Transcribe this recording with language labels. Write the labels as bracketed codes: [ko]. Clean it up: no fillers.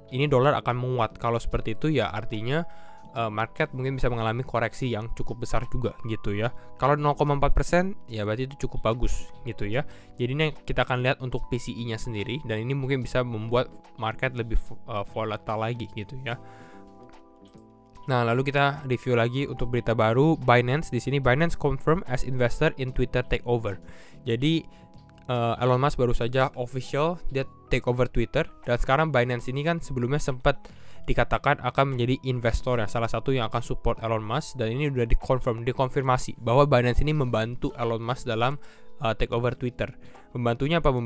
[id] Ini dolar akan menguat. Kalau seperti itu ya artinya market mungkin bisa mengalami koreksi yang cukup besar juga gitu ya. Kalau 0,4% ya berarti itu cukup bagus gitu ya. Jadi ini kita akan lihat untuk PCE-nya sendiri, dan ini mungkin bisa membuat market lebih volatile lagi gitu ya. Nah, lalu kita review lagi untuk berita baru Binance. Di sini [en] Binance confirm as investor in Twitter takeover. [id] Jadi Elon Musk baru saja official dia take over Twitter, dan sekarang Binance ini kan sebelumnya sempat dikatakan akan menjadi investor yang salah satu yang akan support Elon Musk, dan ini sudah dikonfirmasi bahwa Binance ini membantu Elon Musk dalam take over Twitter. Membantunya apa?